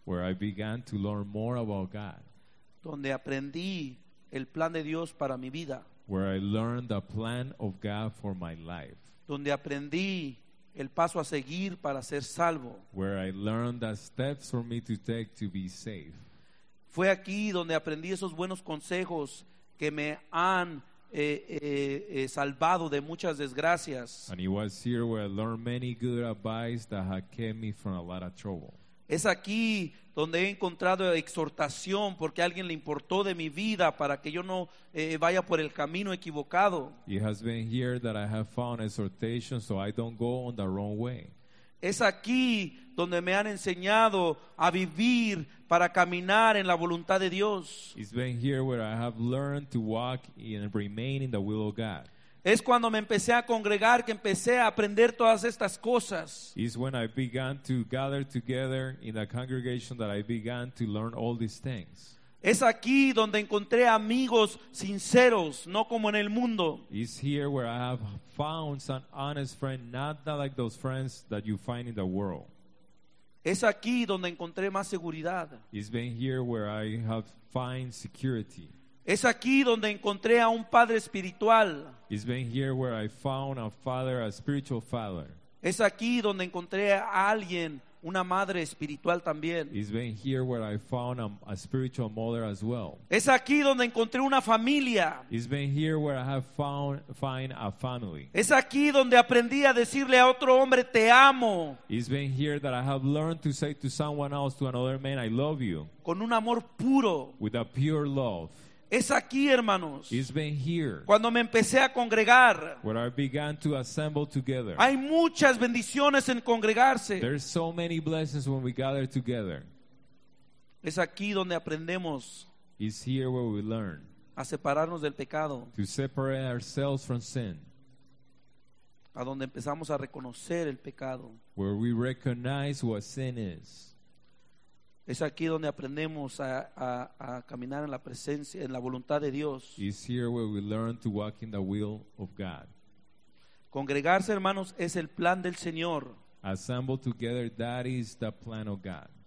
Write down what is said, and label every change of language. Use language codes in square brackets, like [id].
[en] Where I began to learn more about God. [es] Donde aprendí el plan de Dios para mi vida. [en] Where I learned the plan of God for my life. [es] Donde aprendí el paso a seguir para ser salvo. [en] Where I learned the steps for me to take to be safe. [es] Fue aquí donde aprendí esos buenos consejos que me han salvado de muchas desgracias. [en] And it was here where I learned many good advice that had kept me from a lot of trouble. [es] Es aquí donde he encontrado exhortación porque alguien le importó de mi vida para que yo no vaya por el camino equivocado. [en] It has been here that I have found exhortation so I don't go on the wrong way. [es] Es aquí donde me han enseñado a vivir para caminar en la voluntad de Dios. [en] It's been here where I have learned to walk and remain in the will of God. [es] Es cuando me empecé a congregar que empecé a aprender todas estas cosas. [en] It's when I began to gather together in a congregation that I began to learn all these things. [es] Es aquí donde encontré amigos sinceros, no como en el mundo. [en] It's here where I have found some honest friend, not like those friends that you find in the world. [es] Es aquí donde encontré más seguridad. [en] It's been here where I have found security. [es] Es aquí donde encontré a un padre espiritual. [en] It's been here where I found a father, a spiritual father. [es] Es aquí donde encontré a alguien, una madre espiritual también. [en] It's been here where I found a spiritual mother as well. [es] Es aquí donde encontré una familia. [en] It's been here where I have found a family. [es] Es aquí donde aprendí a decirle a otro hombre te amo. [en] It's been here that I have learned to say to someone else, to another man, I love you. [es] Con un amor puro. [en] With a pure love. [es] Es aquí, hermanos. [en] It's been here. [es] Cuando me empecé a congregar. [en] Where I began to assemble together. [es] Hay muchas bendiciones en congregarse. [en] There's so many blessings when we gather together. [es] Es aquí donde aprendemos. [en] It's here where we learn. [es] A separarnos del pecado. [en] To separate ourselves from sin. [es] A donde empezamos a reconocer el pecado. [en] Where we recognize what sin is. [es] Es aquí donde aprendemos a caminar en la presencia, en la voluntad de Dios. [en] It's here where we learn to walk in the will of God. [es] Congregarse, hermanos, es el plan del Señor. [en] Assemble together, that is the plan of God.